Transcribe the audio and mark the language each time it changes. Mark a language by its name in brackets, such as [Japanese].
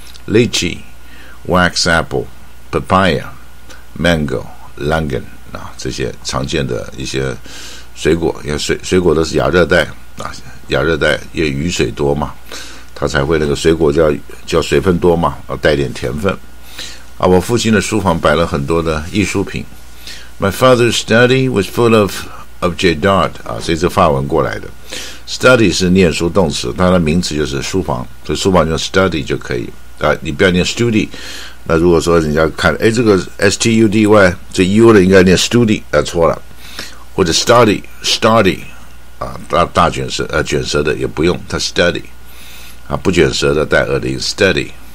[English] Lychee, wax apple, papaya, mango, langan、 [Chinese] 啊、这些常见的一些水果，因为 水果都是亚热带、啊、亚热带因为雨水多嘛，它才会那个水果叫水分多嘛、啊、带点甜分、啊、我父亲的书房摆了很多的艺术品。 [English] My father's study was full of objets d'art、啊、 [Chinese] 所以是法文过来的。 Study 是念书动词，它的名词就是书房，所以书房就 study 就可以啊、你不要念 study， 那如果说人家看哎，这个 study 这 u 的应该念 study、啊、错了，或者 study、啊、大卷舌、啊、卷舌的也不用，它 study、啊、不卷舌的带耳的音 study。